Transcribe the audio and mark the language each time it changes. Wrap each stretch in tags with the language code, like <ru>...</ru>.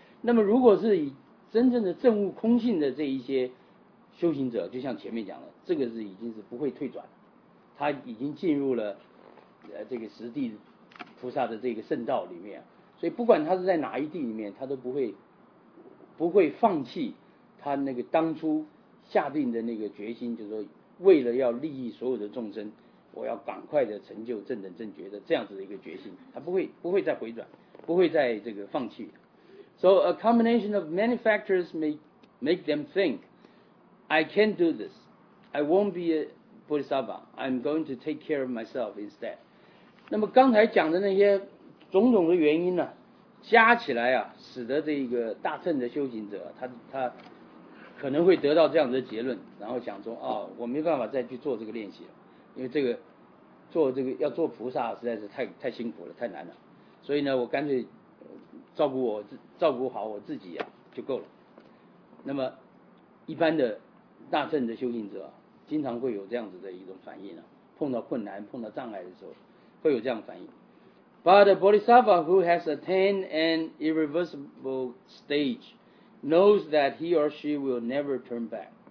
<zh>那么如果是以真正的证悟空性的这一些修行者，就像前面讲的，这个是已经是不会退转，他已经进入了这个实地菩萨的这个圣道里面，所以不管他是在哪一地里面，他都不会放弃他那个当初下定的那个决心，就是说为了要利益所有的众生，我要赶快的成就正等正觉的这样子的一个决心，他不会再回转，不会再这个放弃。</zh> <en>So a combination of many factors make them think, I can do this, I won't be a bodhisattva, I'm going to take care of myself instead.</en> <zh>那么刚才讲的那些种种的原因呢、啊，加起来啊，使得这个大乘的修行者他可能会得到这样的结论，然后想说哦，我没办法再去做这个练习了，因为这个做这个要做菩萨实在是太辛苦了，太难了，所以呢，我干脆照顾好我自己啊就够了。那么一般的大乘的修行者、啊、经常会有这样子的一种反应啊，碰到困难、碰到障碍的时候会有这样反应。</zh> <en>But a bodhisattva who has attained an irreversible stage knows that he or she will never turn back.</en>